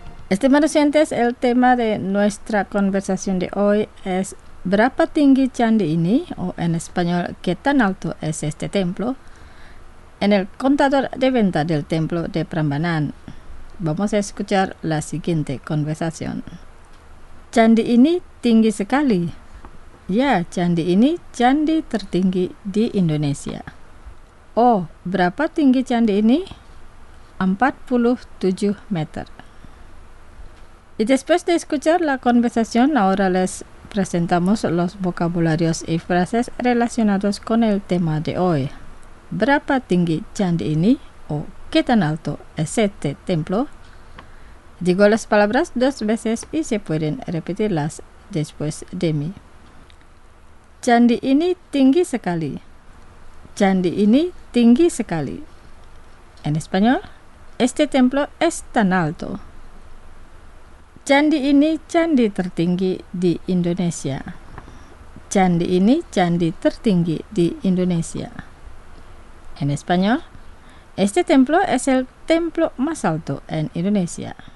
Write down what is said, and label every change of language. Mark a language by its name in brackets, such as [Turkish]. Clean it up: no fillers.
[Spanish] Estimados oyentes, el tema de nuestra conversación de hoy es [Indonesian] ¿Berapa tinggi candi ini? [Spanish] O en español, ¿qué tan alto es este templo? En el contador de venta del templo de Prambanan. Vamos a escuchar la siguiente conversación. [Indonesian] Candi ini tinggi sekali. Ya, candi ini candi tertinggi di Indonesia. Oh, berapa tinggi candi ini? 47 meter. [Spanish] Y después de escuchar la conversación, ahora les presentamos los vocabularios y frases relacionados con el tema de hoy. [Indonesian] ¿Berapa tinggi candi ini? [Spanish] O ¿qué tan alto es este templo? Digo las palabras dos veces y se pueden repetirlas después de mí. [Indonesian] Candi ini tinggi sekali. Candi ini tinggi sekali. [Spanish] En español, este templo es tan alto. [Indonesian] Candi ini candi tertinggi di Indonesia. Candi ini candi tertinggi di Indonesia. [Spanish] En español, este templo es el templo más alto en Indonesia.